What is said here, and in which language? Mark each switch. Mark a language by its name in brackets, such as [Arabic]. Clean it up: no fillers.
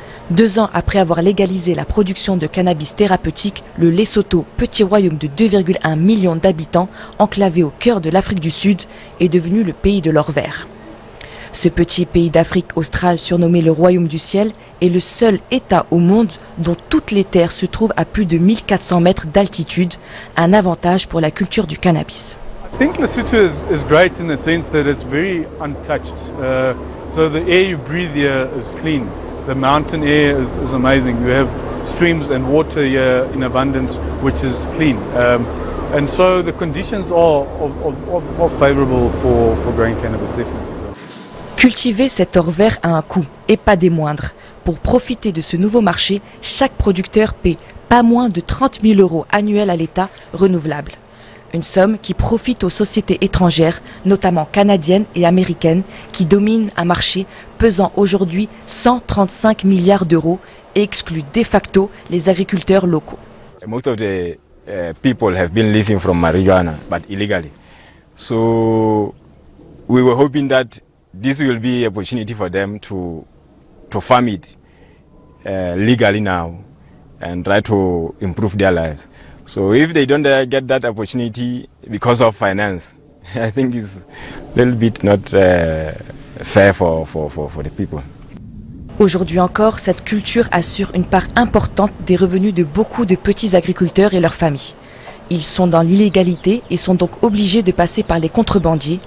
[French] 2 ans après avoir légalisé la production de cannabis thérapeutique, le Lesotho, petit royaume de 2,1 millions d'habitants, enclavé au cœur de l'Afrique du Sud, est devenu le pays de l'or vert. Ce petit pays d'Afrique australe, surnommé le Royaume du Ciel, est le seul État au monde dont toutes les terres se trouvent à plus de 1400 mètres d'altitude, un avantage pour la culture du cannabis. [English] I think Lesotho is great in the sense that it's very untouched. So the air you breathe here is clean. The mountain air is amazing. You have streams and water here in abundance, which is clean. And so the conditions are of favorable for growing cannabis, definitely. [French] Cultiver cet or vert a un coût, et pas des moindres. Pour profiter de ce nouveau marché, chaque producteur paie pas moins de 30 000 euros annuels à l'État renouvelable. Une somme qui profite aux sociétés étrangères, notamment canadiennes et américaines, qui dominent un marché pesant aujourd'hui 135 milliards d'euros et exclut de facto les agriculteurs locaux. [English] Most of the people have been living from marijuana, but illegally. So we were hoping that this will be an opportunity for them to farm it legally now and try to improve their lives. So if they don't get that opportunity because of finance, I think it's a little bit not fair for the people. [French] Aujourd'hui encore, cette culture assure une part importante des revenus de beaucoup de petits agriculteurs et leurs familles. Ils sont dans l'illégalité et sont donc obligés de passer par les contrebandiers.